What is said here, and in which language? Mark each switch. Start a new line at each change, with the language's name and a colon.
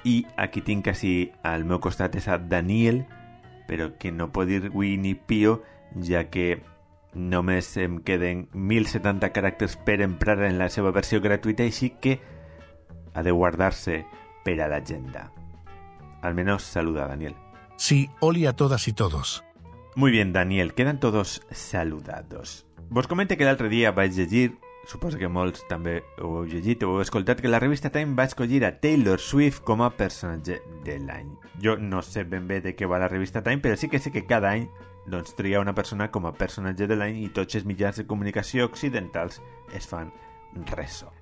Catalan: I aquí tinc així al meu costat és a Daniel, però que no pot dir avui ni pio, ja que només em queden 1.070 caràcters per emprar en la seva versió gratuïta, així que ha de guardar-se per a l'agenda. Almenys saluda, Daniel. Sí, hola a totes i tots.
Spanish: Muy bien, Daniel, quedan todos saludados. Vos comenté que
Catalan: l'altre dia vaig llegir, suposo que molts també ho heu llegit o heu escoltat, que la revista Time va escollir a Taylor Swift com a personatge de l'any. Jo no sé ben bé de què va la revista Time, però sí que sé que cada any doncs tria una persona com a personatge de l'any i tots els mitjans de comunicació occidentals es fan ressò.